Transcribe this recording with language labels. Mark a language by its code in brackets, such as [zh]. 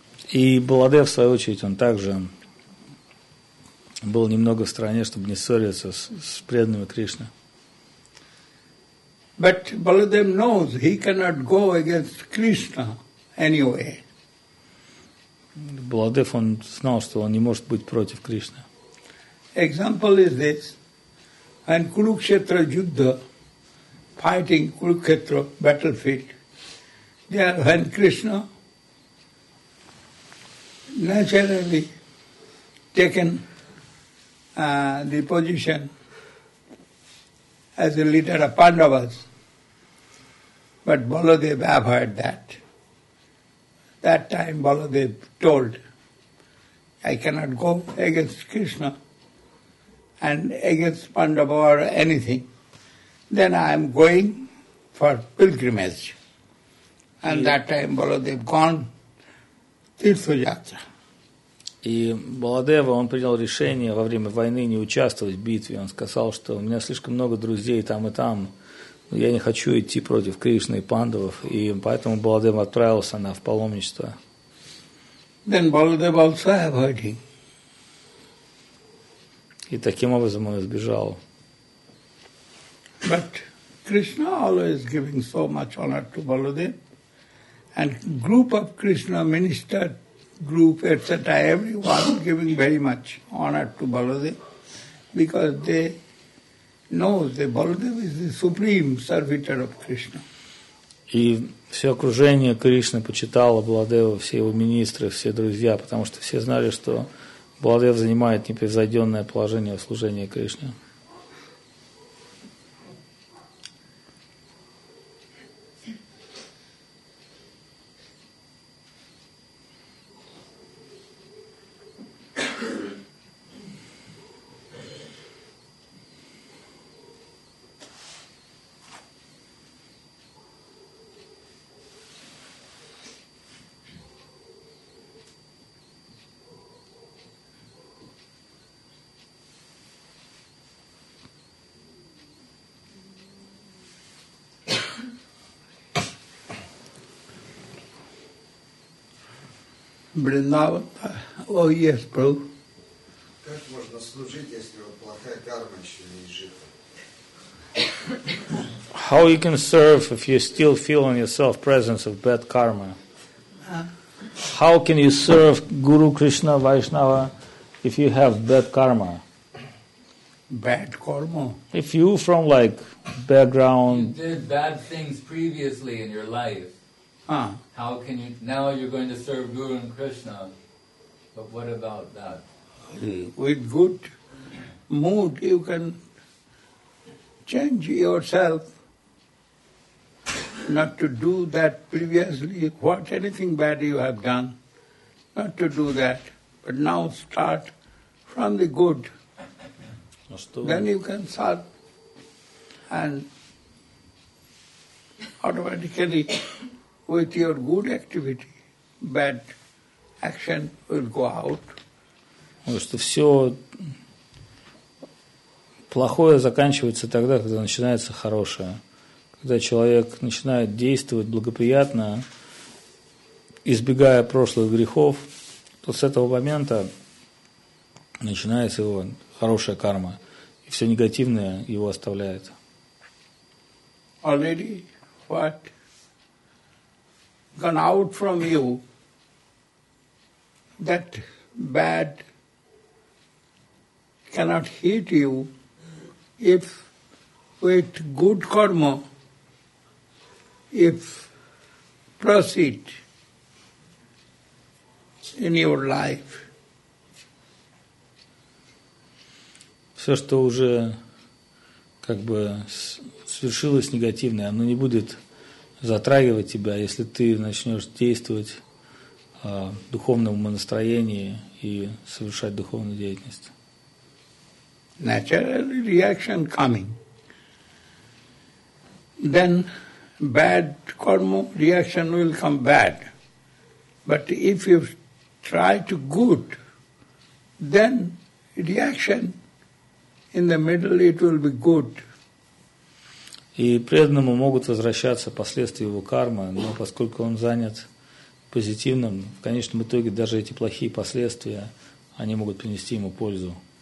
[ru] И Баладев, в свою очередь, он также был немного в стороне, чтобы не ссориться с преданными Кришны. [en] But Baladev knows he cannot go against Krishna anyway. [ru] Баладев, он знал, что он не может быть против Кришны. [en] Example is this. When Kurukshetra Yuddha, fighting Kurukshetra battlefield, there when Krishna naturally taken the position as a leader of Pandavas, but Baladev averted that. That time Baladev told, I cannot go against Krishna and against Pandava or anything, then I am going for pilgrimage. And yeah, that time Baladev gone Tirtha Yatra. [ru] И Баладева, он принял решение во время войны не участвовать в битве. Он сказал, что у меня слишком много друзей там и там. Я не хочу идти против Кришны и Пандавов. И поэтому Баладева отправился в паломничество. [en] Then Baladev also avoided. [ru] И таким образом он избежал. [en] But Krishna always giving so much honor to Baladev. And group of Krishna ministered group, etc., everyone giving very much honor to Baladev, because they know that Baladev is the supreme servitor of Krishna. [ru] И все окружение Кришны почитало Баладева, все его министры, все друзья, потому что все знали, что Баладев занимает непревзойденное положение в служении Кришне. [en] Вриндаван, oh yes, Prabhu. [ru] Как можно служить, если у вас плохая карма еще не изжита? [en] How you can serve if you still feel in yourself presence of bad karma? How can you serve Guru Krishna Vaishnava if you have bad karma? Bad karma? If you from like background... You did bad things previously in your life. How can you, now you're going to serve Guru and Krishna, but what about that? With good mood you can change yourself not to do that previously, what anything bad you have done, not to do that, but now start from the good. Then you can start and automatically with your good activity, bad action will go out. [ru] Потому что все плохое заканчивается тогда, когда начинается хорошее. Когда человек начинает действовать благоприятно, избегая прошлых грехов, то с этого момента начинается его хорошая карма. И все негативное его оставляет. [en] Already what? Gone out from you, that bad cannot hit you if with good karma, if proceed in your life. [ru] Все, что уже как бы свершилось негативное, оно не будет затрагивать тебя, если ты начнешь действовать духовном настроении и совершать духовную деятельность. [en] Natural reaction coming. Then bad karma reaction will come bad. But if you try to good, then reaction in the middle it will be good. [ru] И преданному могут возвращаться последствия его кармы, но поскольку он занят позитивным, в конечном итоге даже эти плохие последствия, они могут принести ему пользу.